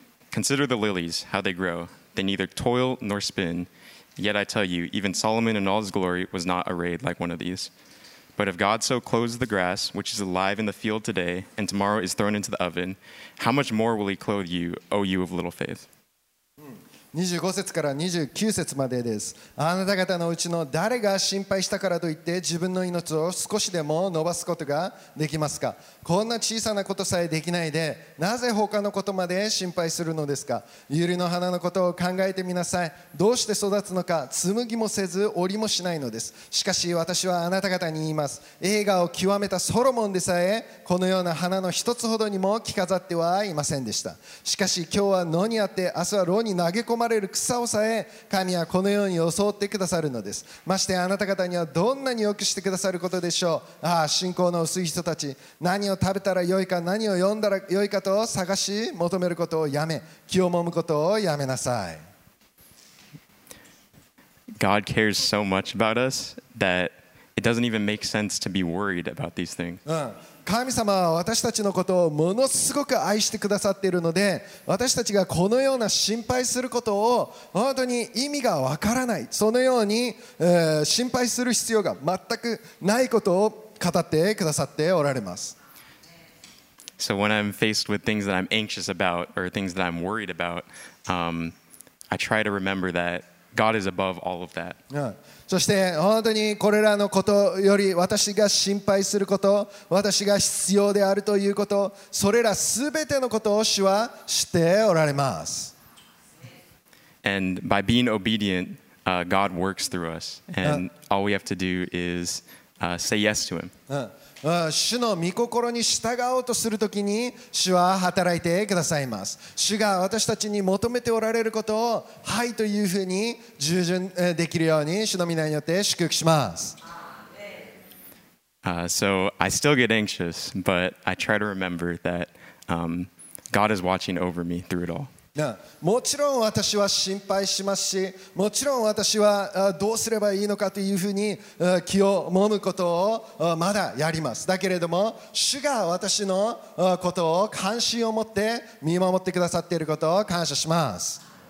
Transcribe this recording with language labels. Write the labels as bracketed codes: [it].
[en] Consider the lilies, how they grow. They neither toil nor spin. Yet I tell you, even Solomon in all his glory was not arrayed like one of these. But if God so clothes the grass, which is alive in the field today, and tomorrow is thrown into the oven, how much more will he clothe you, O you of little faith? [ja] 25節から29節までです。あなた方のうちの誰が心配したからといって自分の命を少しでも伸ばすことができますか。こんな小さなことさえできないでなぜ他のことまで心配するのですか。ユリの花のことを考えてみなさい。どうして育つのか紡ぎもせず織りもしないのです。しかし私はあなた方に言います、栄華を極めたソロモンでさえこのような花の一つほどにも着飾ってはいませんでした。しかし今日は野にあって明日は炉に投げ込まれる草をさえ神はこのように装ってくださるのです。ましてあなた方にはどんなに良くしてくださることでしょう。ああ信仰の薄い人たち、何を食べたらよいか何を読んだらよいかと探し求めることをやめ気をもむことをやめなさい。 [en] God cares so much about us that it doesn't even make sense to be worried about these things. [ja] 神様は私たちのことをものすごく愛してくださっているので私たちがこのような心配することを本当に意味がわからない、そのように、心配する必要が全くないことを語ってくださっておられます。 [en] So when I'm faced with things that I'm anxious about or things that I'm worried about, I try to remember that God is above all of that. [ja] そして本当にこれらのことより私が心配すること、私が必要であるということ、それらすべてのことを主は知っておられます。 [en] And by being obedient, God works through us. And all we have to do is say yes to him. [ja] 主の御心に従おうとするときに主は働いてくださいます。主が私たちに求めておられることをはいというふうに従順できるように主の御名によって祝福します。 [en] So I still get anxious, but I try to remember that God is watching over me through it all. [ja] もちろん私は心配しますし、もちろん私はどうすればいいのかというふうに気をもむことをまだやります。だけれども主が私のことを関心を持って見守ってくださっていることを感謝します。